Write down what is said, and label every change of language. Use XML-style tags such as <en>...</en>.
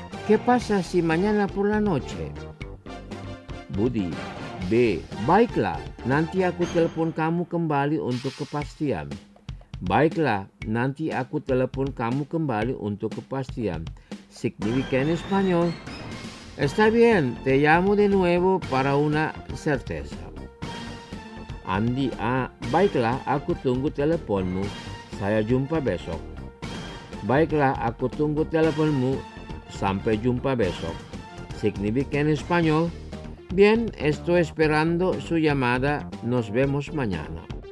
<es>¿Qué pasa si mañana por la noche? Buddy.</es> <id>Baiklah, nanti aku telepon kamu kembali untuk kepastian. Baiklah, nanti aku telepon kamu kembali untuk kepastian.</id> <es>Significa en español. Está bien, te llamo de nuevo para una certeza.</es> <id>Andy, baiklah, aku tunggu teleponmu. Saya jumpa besok. Baiklah, aku tunggu teleponmu. Sampai jumpa besok.</id> <es>Significa en español. Bien, estoy esperando su llamada. Nos vemos mañana.</es>